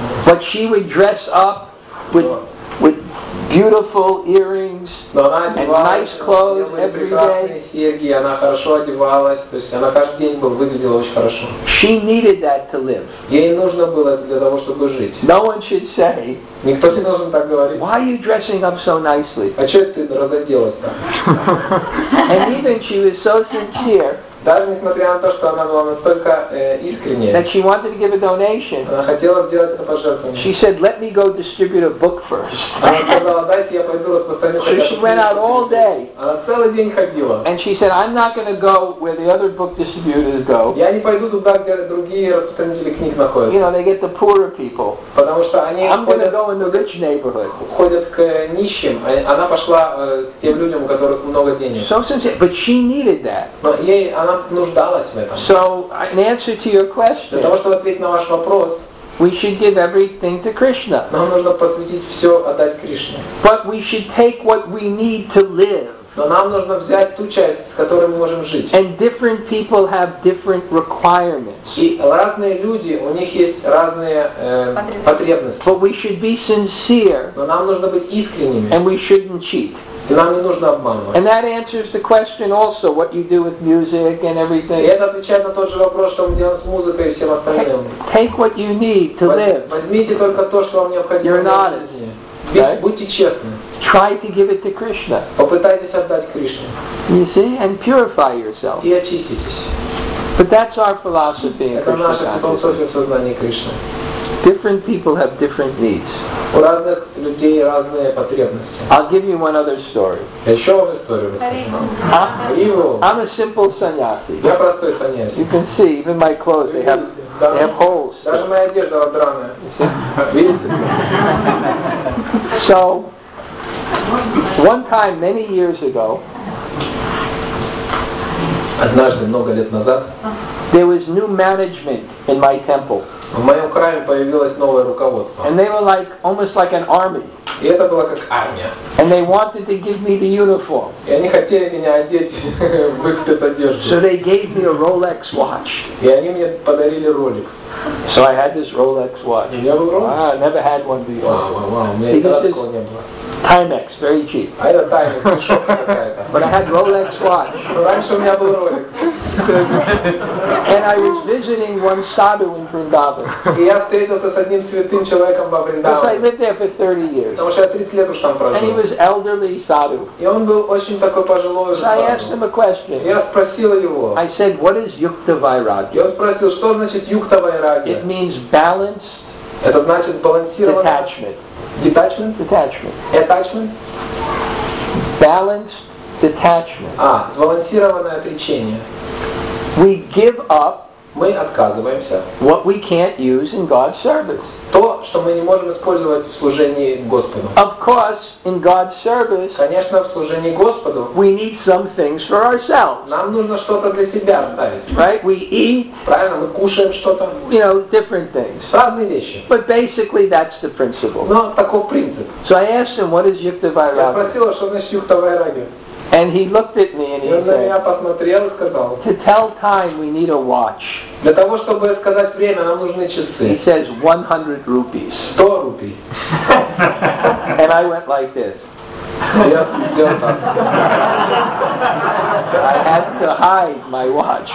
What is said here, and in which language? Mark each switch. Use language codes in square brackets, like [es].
[en] But she would dress up with beautiful earrings and nice clothes every day. [ru] Серьги, она хорошо одевалась, то есть она каждый день была выглядела очень хорошо. [en] She needed that to live. [ru] Ей нужно было для того, чтобы жить. [en] No one should say. [ru] Никто не должен так говорить. [en] Why are you dressing up so nicely? [ru] А чё ты разоделась так? [en] And even she was so sincere. [ru] Даже несмотря на то, что она была настолько искренней, [en] that she wanted to give a donation, [ru] она хотела сделать это пожертвование. [en] She said, "Let me go distribute a book first." [ru] Она сказала, дайте я пойду распространю. [en] So she went out all day. [ru] Она целый день ходила. [en] And she said, "I'm not going to go where the other book distributors go." [ru] Я не пойду туда, где другие распространители книг находятся. [en] You know, they get the poorer people. [ru] Потому что они [en] I'm [ru] ходят [en] go in the rich neighborhood. [ru] Ходят к нищим. Она пошла тем людям, у которых много денег. [en] So sincere, but she needed that. [ru] Но ей она нуждалась в этом. [en] So, in answer to your question, [ru] для того, чтобы ответить на ваш вопрос, [en] we should give everything to Krishna. [ru] Нам нужно посвятить все, отдать Кришне. [en] But we should take what we need to live. [ru] Но нам нужно взять ту часть, с которой мы можем жить. [en] And different people have different requirements. [ru] И разные люди, у них есть разные потребности. [en] But we should be sincere. [ru] Но нам нужно быть искренними. [en] And we shouldn't cheat. [ru] И нам не нужно обманывать. [en] And that answers the question also, what you do with music and everything. [ru] И это отвечает на тот же вопрос, что мы делаем с музыкой и всем остальным. [en] Take what you need to live. [ru] Возьмите только то, что вам необходимо. [en] You're not honest. [ru] Будьте честны. [en] Try to give it to Krishna. [ru] Попытайтесь отдать Кришне. [en] You see? And purify yourself. [ru] И очиститесь. [en] But that's our philosophy in Krishna Krishna. Different people have different needs. [ru] У разных людей разные потребности. [en] I'll give you one other story. [ru] Еще одну историю расскажу. [en] I'm a simple sannyasi. [ru] Я простой sannyasi. [en] You can see, even my clothes, they have holes. [ru] Даже моя одежда драная. Видите? [en] So, one time many years ago, [ru] однажды, много лет назад, [en] there was new management in my temple. [ru] В моем храме появилось новое руководство. [en] And they were like, almost like an army. [ru] И это было как армия. [en] And they wanted to give me the uniform. [ru] И они хотели меня одеть в их спецодежду. [en] So they gave me a Rolex watch. [ru] И они мне подарили Rolex. [en] So I had this Rolex watch. [ru] И у меня был Rolex? [en] Wow, I never had one before. [ru] Wow, у меня никогда такого не было. [en] Timex, very cheap. I had a [ru] Timex, какая-то. [en] But I had Rolex watch. [ru] Раньше у меня был Rolex. [en] And I was visiting one sadhu in Vrindavan. [ru] И я встретился с одним святым человеком во Вриндаване. [en] Because I lived there for 30 years. [ru] Потому что я 30 лет уж там прожил. [en] And he was elderly sadhu. [ru] И он был очень такой пожилой [en] sadhu. I asked him a question. [ru] Я спросил его. [en] I said, what is yukta vairagya? [ru] Я спросил, что значит yukta vairagya? [en] It means balanced. [ru] Это значит сбалансированное. [en] Detachment. Detachment? Detachment. Attachment? Balanced detachment. [ru] А, сбалансированное отречение. [en] We give up. [ru] Мы отказываемся. [en] What we can't use in God's service. [ru] То, что мы не можем использовать в служении Господу. [en] Of course, in God's service. [ru] Конечно, в служении Господу. [en] We need some things for ourselves. [ru] Нам нужно что-то для себя оставить. [en] Right? We eat. [ru] Правильно, мы кушаем что-то. [en] You know, different things. [ru] Разные вещи. [en] But basically, that's the principle. [ru] Но такой принцип. [en] So I asked him, what is yukta vairagya? [ru] Я спросил, что значит yukta vairagya? [en] And he looked at me and he said, [ru] меня посмотрел и сказал, [en] to tell time we need a watch. [ru] Для того, чтобы сказать время, нам нужны часы. [en] He says, 100 rupees. [ru] 100 рупий. [en] And I went like this. [ru] Я сделал так. [en] I had to hide my watch.